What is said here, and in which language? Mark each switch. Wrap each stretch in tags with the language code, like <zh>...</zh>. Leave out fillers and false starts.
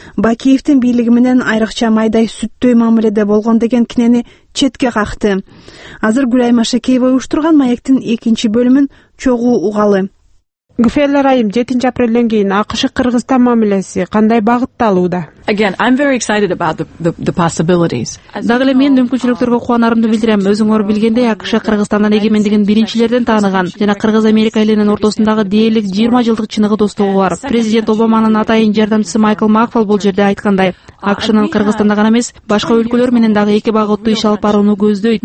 <ky>Бакиевдин бийлиги менен айрыкча майдай сүттөй мамиледе болгон деген кинени четке какты. Азыр Гүлайма Шакеева уюштурган маектин 2-бөлүмүн чогуу угалы. Гефелер айым, 7 апрелден кийин АКШ Кыргызстан мамилеси кандай багытта алууда?</ky> <en>Again, I'm very excited about the possibilities.</en> <ky>Дагы эле мен мүмкүнчүлүктөргө кубанарымды билдирем. Өзүңөр билгендей, АКШ Кыргызстандын эгемендигин биринчилерден тааныган жана Кыргыз-Америка элинин ортосундагы дээрлик 20 жылдык чыныгы достугу бар. Президент Обаманын атайын жардамчысы Майкл Макфол бул жерде айткандай, АКШнын Кыргызстанда гана эмес, башка өлкөлөр менен дагы эки багыттуу иш алып барууну көздөйт.</ky>